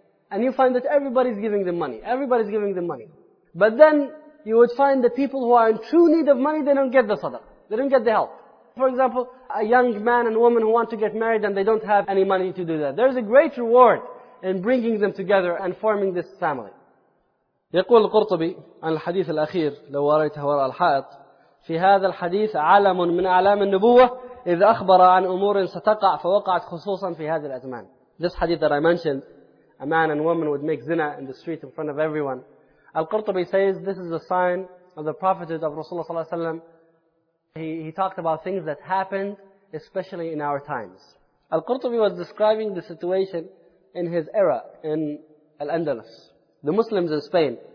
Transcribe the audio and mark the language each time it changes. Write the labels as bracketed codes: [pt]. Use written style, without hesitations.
[en] And you find that everybody's giving them money. Everybody's giving them money. But then you would find the people who are in true need of money, they don't get the sadaqah. They don't get the help. For example, a young man and woman who want to get married and they don't have any money to do that. There's a great reward in bringing them together and forming this family. [ar] يقول القرطبي عن الحديث الأخير لو وريته وراء الحائط في هذا الحديث عالم من أعلام النبوة إذ أخبر عن أمور ستقع فوقعت خصوصا في هذا الأزمان. [en] This hadith that I mentioned, a man and woman would make zina in the street in front of everyone. Al-Qurtubi says this is a sign of the prophethood of Rasulullah ﷺ. He talked about things that happened, especially in our times. Al-Qurtubi was describing the situation in his era in Al-Andalus, the Muslims in Spain.